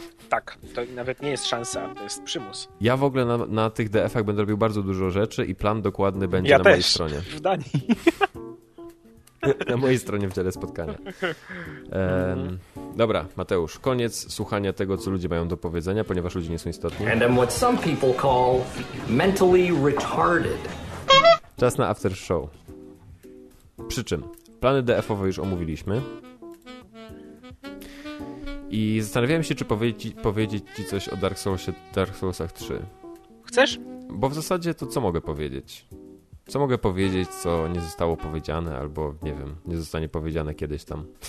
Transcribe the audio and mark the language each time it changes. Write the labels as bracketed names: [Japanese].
[Polish] Tak, to nawet nie jest szansa, to jest przymus. Ja w ogóle na tych DF-ach będę robił bardzo dużo rzeczy i plan dokładny będzie ja na też. Mojej stronie. W Danii. Na mojej stronie w dziale spotkania. Dobra, Mateusz, koniec słuchania tego, co ludzie mają do powiedzenia, ponieważ ludzie nie są istotni. [English] And I'm what some people call mentally retarded. [Polish] Czas na after show. Przy czym, plany DF-owe już omówiliśmy. I zastanawiałem się, czy powiedzieć ci coś o Dark Soulsach 3. Chcesz? Bo w zasadzie to co mogę powiedzieć? Co mogę powiedzieć, co nie zostało powiedziane, albo nie wiem, nie zostanie powiedziane kiedyś tam.